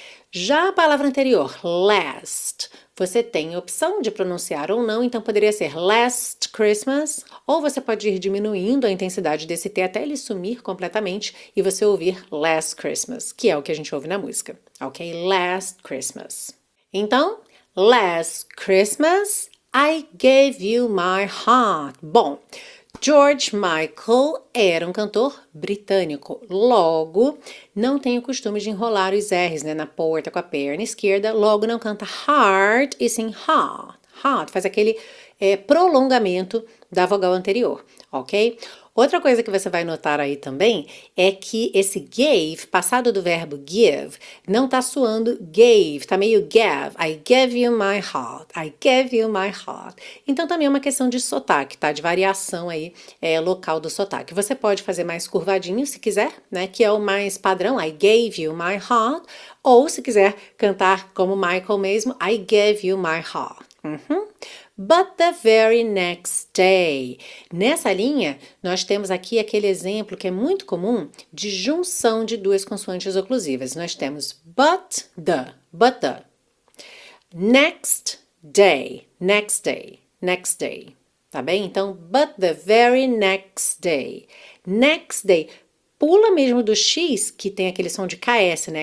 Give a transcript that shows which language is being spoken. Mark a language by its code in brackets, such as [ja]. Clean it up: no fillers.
[pt] Já a palavra anterior, last, você tem a opção de pronunciar ou não, então poderia ser Last Christmas, ou você pode ir diminuindo a intensidade desse T até ele sumir completamente e você ouvir Last Christmas, que é o que a gente ouve na música. [en] Ok? Last Christmas. Então, Last Christmas, I gave you my heart. [pt] Bom, George Michael era um cantor britânico. Logo, não tem o costume de enrolar os R's, né, na porta com a perna esquerda. Logo, não canta heart e sim heart. Heart faz aquele prolongamento da vogal anterior, ok? Outra coisa que você vai notar aí também é que esse gave, passado do verbo give, não tá soando gave, tá meio gave. [en] I gave you my heart. I gave you my heart. [pt] Então também é uma questão de sotaque, tá? De variação aí, local do sotaque. Você pode fazer mais curvadinho se quiser, né? Que é o mais padrão. [en] I gave you my heart. [pt] Ou se quiser cantar como Michael mesmo, I gave you my heart. [en] But the very next day. [pt] Nessa linha, nós temos aqui aquele exemplo que é muito comum de junção de duas consoantes oclusivas. Nós temos but the. [en] Next day, next day, next day. [pt] Tá bem? [en] Então, but the very next day. Next day. [pt] Pula mesmo do X, que tem aquele som de KS, né?